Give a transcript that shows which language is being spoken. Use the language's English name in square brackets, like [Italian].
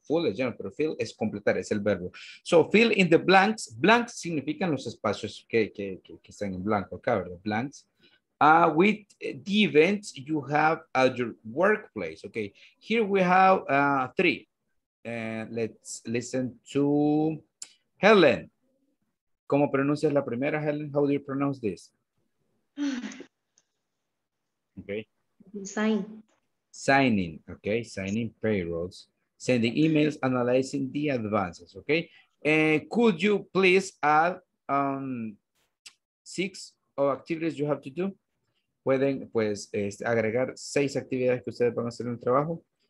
[Spanish] Full es lleno, pero fill es completar, es el verbo. [English] So, fill in the blanks. [Spanish] Blanks significan los espacios que están en blanco acá, ¿verdad? [English] Blanks. With the events you have at your workplace, ¿ok? Here we have three. Let's listen to Helen. [Spanish] ¿Cómo pronuncias la primera, Helen? [English] How do you pronounce this? ¿Ok? Signing, okay, signing payrolls, sending emails, analyzing the advances, okay. Could you please add six of activities you have to do? [Spanish] Pueden, pues, agregar seis actividades que ustedes van a hacer en el trabajo.